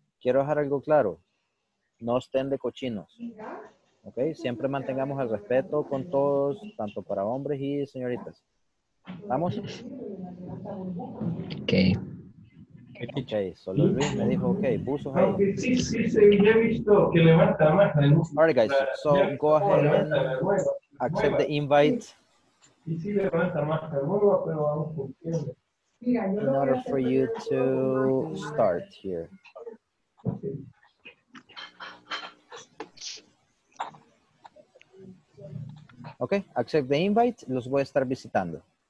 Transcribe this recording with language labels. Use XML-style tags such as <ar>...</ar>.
<es>Quiero dejar algo claro. No estén de cochinos. Okay, siempre mantengamos el respeto con todos, tanto para hombres y señoritas. ¿Vamos? Okay. Okay, solo Luis me dijo, okay, buzos ahí. Sí, he visto que levanta más.</es> <en>All right, guys, so go ahead and accept the invite.</en> <es>Sí, sí, levanta más el huevo, pero vamos con tiempo.</es> <en>In order for you to start here. Ok, accept the invite.</en> <es>Los voy a estar visitando.</es>